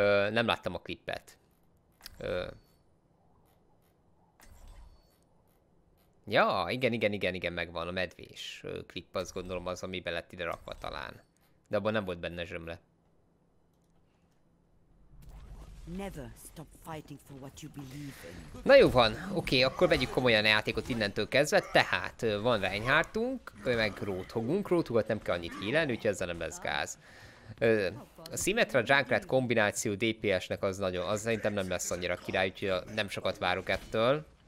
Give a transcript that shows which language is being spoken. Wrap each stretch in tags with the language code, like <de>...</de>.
<hu>Nem láttam a klippet. Ja, igen, megvan a medvés klip, azt gondolom az, ami be lett ide rakva talán. De abban nem volt benne zsömle.</hu> <en>Never stop fighting for what you believe in.</en> <hu>Na jó van, oké, akkor vegyük komolyan a játékot innentől kezdve. Tehát van Reinhardtunk, meg Roadhogunk. Roadhogat nem kell annyit healen, úgyhogy ezzel nem lesz gáz. A Symmetra Junkrat kombináció DPS-nek az nagyon, az szerintem nem lesz annyira király, úgyhogy nem sokat várok ettől.</hu>